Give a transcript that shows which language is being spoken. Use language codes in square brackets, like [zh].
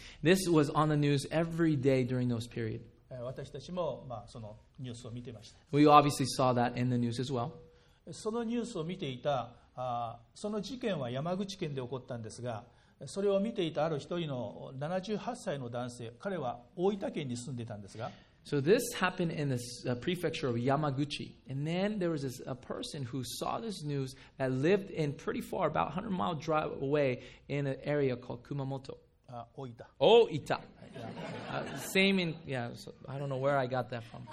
[en] This was on the news every day during those period. [ja] 私たちも、そのニュースを見てました。 [en] We obviously saw that in the news as well. [ja] そのニュースを見ていた、その事件は山口県で起こったんですが、それを見ていたある一人の78歳の男性、彼は大分県に住んでたんですが、 [en] So this happened in the prefecture of Yamaguchi. And then there was a person who saw this news that lived in pretty far, about 100 mile drive away in an area called Kumamoto. Oita. Oita. Yeah. Same in, yeah, so I don't know where I got that from.